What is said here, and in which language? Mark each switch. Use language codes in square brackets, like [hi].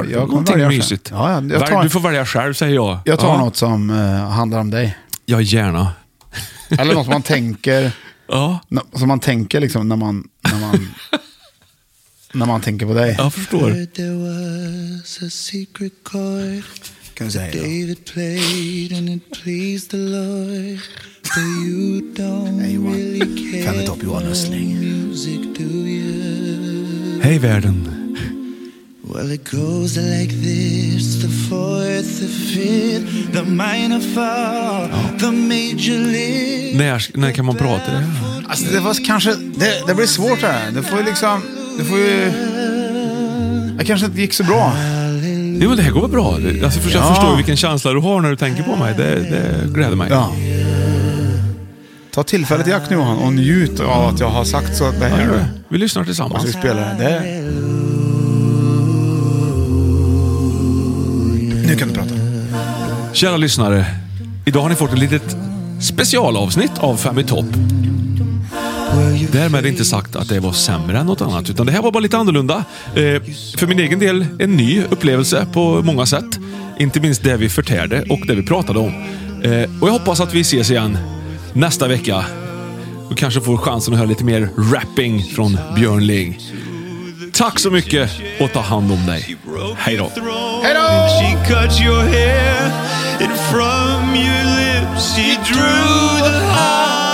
[sv] kommer någonting mysigt. Ja, tar... Du får välja själv, säger jag. Jag tar något som handlar om dig. Ja, gärna. Eller något som man tänker... Ja. Som man tänker liksom när man när man tänker på dig. Jag förstår. [en] There was a secret chord. David played and it pleased the Lord. But you don't really care for music, do you? [sv] Hey, världen. [en] Well, it goes like this: the fourth, the fifth, the minor fall, the major lift. [sv] När kan man prata det? Alltså, det var kanske det blir svårt här. Du får ju. Jag kanske inte gick så bra. Jo, men det här går bra. Alltså, jag förstår vilken känsla du har när du tänker på mig. Det gläder mig. Ja. Ta tillfället i akt nu, Johan, och njut av att jag har sagt så att det här... Ja, vi lyssnar tillsammans. Alltså, vi spelar det. Nu kan du prata. Kära lyssnare, idag har ni fått ett litet specialavsnitt av Fem i topp. Därmed inte sagt att det var sämre än något annat, utan det här var bara lite annorlunda. För min egen del en ny upplevelse på många sätt. Inte minst det vi förtärde och det vi pratade om. Och jag hoppas att vi ses igen nästa vecka. Och kanske får chansen att höra lite mer rapping från Björn Ling. Tack så mycket och ta hand om dig. Hej då! Hej då! [en] She cut your hair and from your lips she drew the heart.